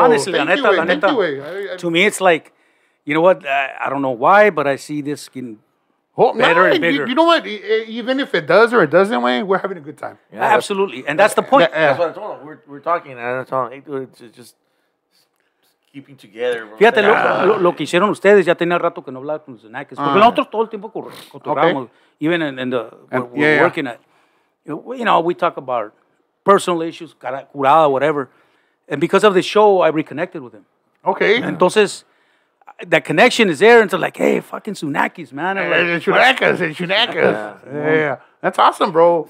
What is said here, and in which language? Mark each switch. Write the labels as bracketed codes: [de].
[en] Honestly, [es] la neta. [en] To me, it's like, you know what? I don't know why, but I see this getting better and bigger. You know what? Even if it does or it doesn't, Wayne, we're having a good time. Yeah, absolutely. And that's the point. That's what I told him. We're talking. And I told him, hey, dude, it's just keeping together. Bro. [es] Fíjate, lo que hicieron ustedes, ya tenía rato que no hablaba con los Zenakis. Porque nosotros todo el tiempo cotorramos. [en] Okay. Even in the, we're working at, you know, we talk about personal issues, curada, whatever. And because of the show, I reconnected with him. Okay. [es] Entonces, [en] that connection is there. And it's like, hey, fucking Zunakis, man. And like, Zunakis. That's awesome, bro.